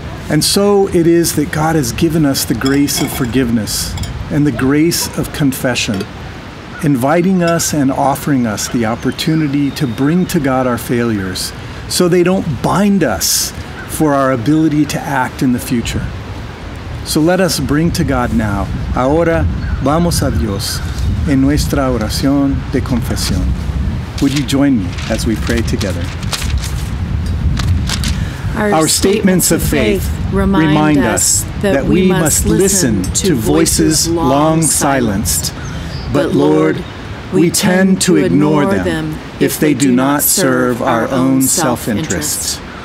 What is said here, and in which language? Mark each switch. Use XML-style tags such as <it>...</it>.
<en>And so it is that God has given us the grace of forgiveness and the grace of confession, inviting us and offering us the opportunity to bring to God our failures so they don't bind us for our ability to act in the future. So let us bring to God now.</en> <es>Ahora vamos a Dios en nuestra oración de confesión.</es> <en>Would you join me as we pray together? Our statements of faith remind us that we must listen to voices long silenced. But Lord, we tend to ignore them if they do not serve our own self-interest.</en>